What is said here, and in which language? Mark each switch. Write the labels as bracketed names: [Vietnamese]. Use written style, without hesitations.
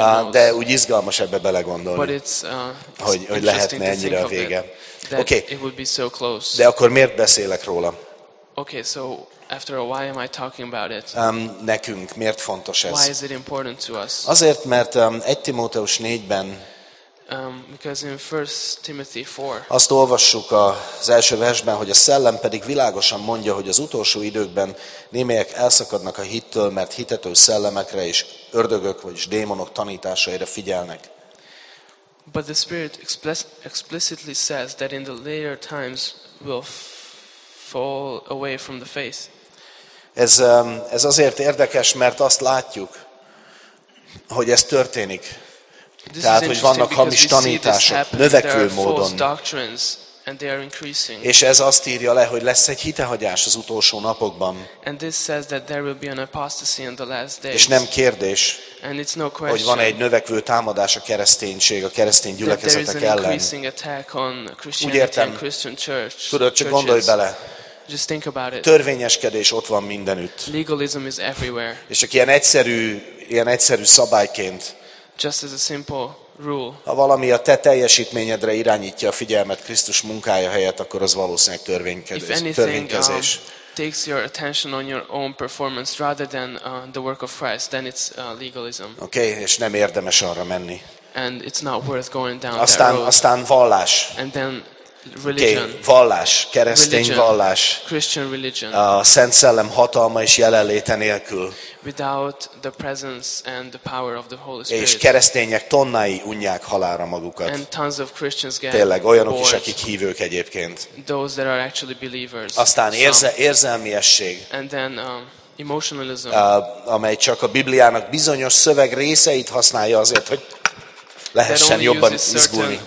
[Hungarian] De úgy izgalmas ebbe belegondolni, hogy lehetne ennyire a vége. Oké. [English] Okay. [Hungarian] De akkor miért beszélek róla? [English] Okay, so after a while, am I talking about it? [Hungarian] Nekünk miért fontos ez? [English] Why is it important to us? [Hungarian] Azért, mert 1 Timóteus 4-ben. [English] Because in 1 Timothy 4. [Hungarian] Azt olvassuk az első versben, hogy a szellem pedig világosan mondja, hogy az utolsó időkben némelyek elszakadnak a hittől, mert hitető szellemekre és ördögök vagyis démonok tanításaira figyelnek. [English] But the Spirit explicitly says that in the later times will fall away from the faith. [Hungarian] Ez azért érdekes, mert azt látjuk, hogy ez történik. [English] This [Hungarian] tehát, hogy vannak hamis tanítások, növekvő módon. [English] And they are increasing. [Hungarian] És ez azt írja le, hogy lesz egy hitehagyás az utolsó napokban. [English] And this says that there will be an apostasy in the last days. [Hungarian] És nem kérdés, [English] and it's no question, [Hungarian] hogy van egy növekvő támadás a kereszténység, a keresztény gyülekezetek ellen. [English] There is an increasing attack on Christianity. [Hungarian] Úgy értem, [English] and Christian church. [Hungarian] Tudod, csak churches. Gondolj bele. [English] Just think about it. [Hungarian] Törvényeskedés ott van mindenütt. [English] Legalism is everywhere. [Hungarian] És csak ilyen egyszerű szabályként. [English] Just as a simple rule. [Hungarian] Ha valami a te teljesítményedre irányítja a figyelmet Krisztus munkája helyett, akkor az valószínűleg törvénykezés. [English] Takes your attention on your own performance rather than the work of Christ, then it's legalism. [Hungarian] Okay, és nem érdemes arra menni. [English] And it's not worth going down [Hungarian] aztán, [English] that road. [Hungarian] Aztán vallás. [English] And then religion. [Hungarian] Okay, vallás, keresztény [English] religion, [Hungarian] vallás. [English] Christian religion. [Hungarian] A Szent Szellem hatalma és jelenléte nélkül. [English] Without the presence and the power of the Holy Spirit. [Hungarian] És keresztények tonnái unják halálra magukat. [English] And tons of Christians get [Hungarian] tényleg olyanok is, akik hívők egyébként. [English] Those that are actually believers. [Hungarian] Aztán érzelmiesség. [English] And then emotionalism. [Hungarian] Amely csak a Bibliának bizonyos szöveg részeit használja azért, hogy lehessen jobban izgulni.